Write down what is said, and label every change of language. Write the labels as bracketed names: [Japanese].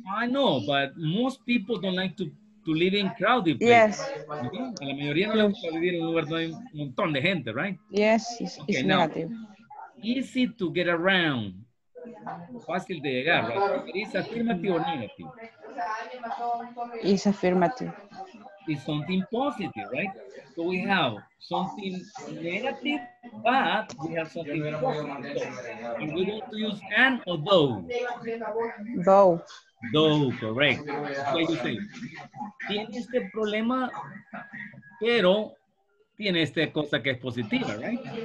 [English] I know, but most people don't like to live in crowded places. Yes. [Spanish] Okay? A la mayoría no le gusta vivir en un lugar donde hay un montón de gente, right? [English] Yes, it's negative. Now, easy to get around. [Spanish] Fácil de llegar, [English] right? Is affirmative or negative? It's affirmative. It's something positive, right? So we have something negative, but we have something positive. And we want to use and or though. Though. Though, correct. That's what you say. [Spanish] Tiene este problema, pero tiene esta cosa que es positiva, right?